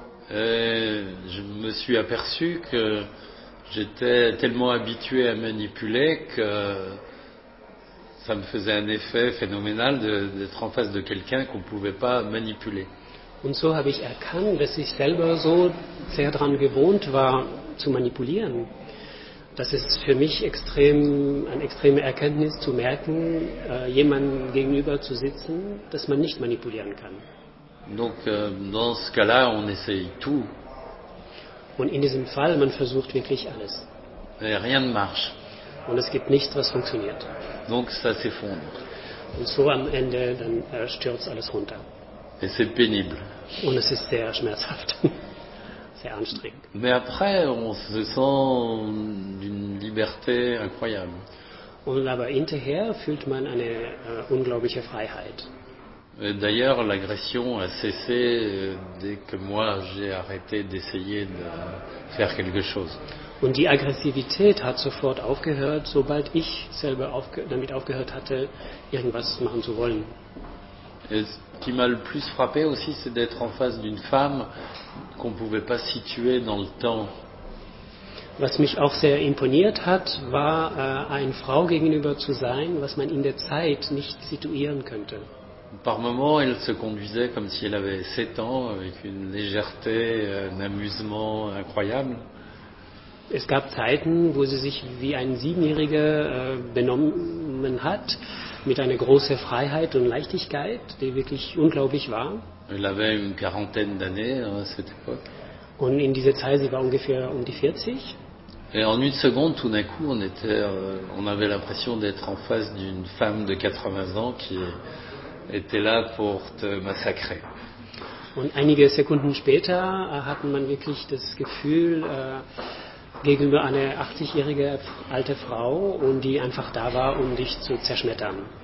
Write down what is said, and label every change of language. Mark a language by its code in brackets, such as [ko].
[fr] Je me suis aperçu que j'étais tellement habitué à manipuler que ça me faisait un effet phénoménal d'être en face de quelqu'un qu'on ne pouvait pas manipuler. [de] Und so habe ich erkannt, dass ich selber so sehr daran gewohnt war, zu manipulieren. Das ist für mich eine extreme Erkenntnis, zu merken, jemandem gegenüber zu sitzen, dass man nicht manipulieren kann. [fr] Donc, dans ce cas-là, on essaye tout. [de] Und in diesem Fall, man versucht wirklich alles. [fr] Et rien ne marche. [de] Und es gibt nichts, was funktioniert. [fr] Donc ça s'effondre. [de] Und so am Ende, dann stürzt alles runter. [fr] Et c'est pénible. [de] Und es ist sehr schmerzhaft. Sehr anstrengend. [fr] Mais après, on se sent d'une liberté incroyable. [de] Und aber hinterher fühlt man eine unglaubliche Freiheit. [fr] Et d'ailleurs, l'agression a cessé dès que moi j'ai arrêté d'essayer de faire quelque chose. [de] Und die Aggressivität hat sofort aufgehört, sobald ich selber damit aufgehört hatte, irgendwas machen zu wollen. [fr] Et ce qui m'a le plus frappé aussi, c'est d'être en face d'une femme qu'on ne pouvait pas situer dans le temps. [de] Was mich auch sehr imponiert hat, war, eine Frau gegenüber zu sein, was man in der Zeit nicht situieren könnte. [fr] Par moments, elle se conduisait comme si elle avait 7 ans, avec une légèreté, un amusement incroyable. [de] Es gab Zeiten, wo sie sich wie ein Siebenjähriger benommen hat, mit einer großen Freiheit und Leichtigkeit, die wirklich unglaublich war. [fr] Elle avait une quarantaine d'années à cette époque. [de] Und in dieser Zeit, sie war ungefähr um die 40. [fr] Et en une seconde, tout d'un coup, on avait l'impression d'être en face d'une femme de 80 ans qui était là pour te massacrer. [de] Und einige Sekunden später hatte man wirklich das Gefühl, gegenüber einer 80-jährigen alte Frau, und die einfach da war, um dich zu zerschmettern.